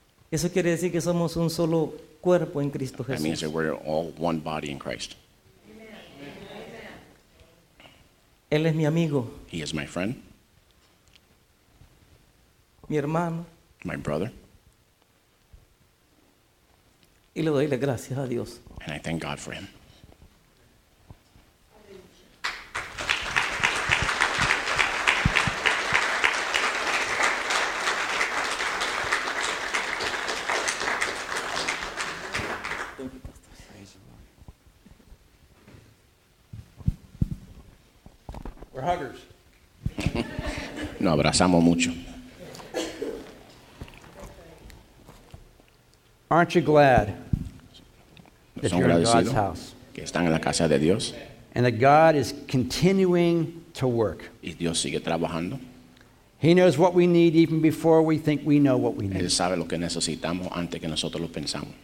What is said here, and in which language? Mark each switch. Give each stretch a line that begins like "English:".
Spanish: Eso quiere decir que somos un solo cuerpo en Cristo Jesús.
English: That means that we're all one body in Christ.
Spanish: Él es mi amigo.
English: He is my friend.
Spanish: Mi hermano.
English: My brother.
Spanish: Y le doy las gracias a Dios.
English: And I thank God for him.
Spanish: Nos abrazamos mucho.
English: Aren't you glad that you're in God's house?
Spanish: Que están en la casa de Dios.
English: And that God is continuing to work.
Spanish: Y Dios sigue trabajando.
English: He knows what we need even before we think we know what we need.
Spanish: Él sabe lo que necesitamos antes que nosotros lo pensamos.